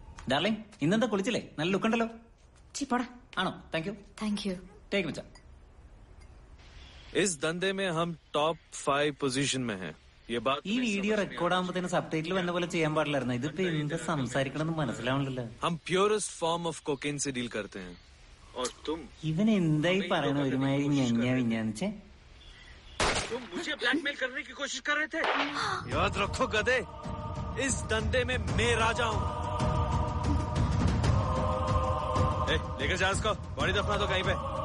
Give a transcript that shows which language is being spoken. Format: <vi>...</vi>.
<ml>darling ഇന്നെന്താ കുളിച്ചില്ലേ നല്ല look ഉണ്ടല്ലോ ചി പോടാ ആണോ thank you thank you take മച്ച</ml> <hi>इस धंधे में हम टॉप फाइव पोजीशन में हैं ये बात ये वीडियो रिकॉर्ड</hi> <ml>ആവുമ്പോൾ തന്നെ സബ്ടൈറ്റിൽ വന്ന പോലെ ചെയ്യാൻ പാടില്ലായിരുന്നു ഇതിപ്പോ എന്താ സംസാരിക്കണമെന്ന് മനസ്സിലാവുന്നില്ല</ml> <hi>हम प्योरेस्ट फॉर्म ऑफ कोकेन से डील करते हैं और तुम</hi> <ml>इवन എന്തായി പറയുന്ന ഒരുമാതിരി ഞഞ്ഞാ വിഞ്ഞാഞ്ഞെ</ml> <hi>तुम मुझे ब्लैकमेल करने की कोशिश कर रहे थे याद रखो गधे इस धंधे में मैं राजा हूं ए लेकर जा इसको बॉडी दफना दो कहीं पे</hi>